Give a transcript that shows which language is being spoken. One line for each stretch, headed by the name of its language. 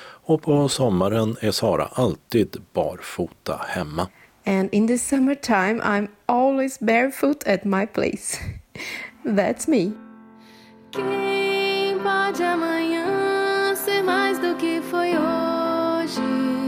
Swedish: Och på sommaren är Sara alltid barfota hemma.
English: And in the summertime I'm always barefoot at my place. That's me.
Portuguese: Quem pode amanhã ser mais do que foi hoje?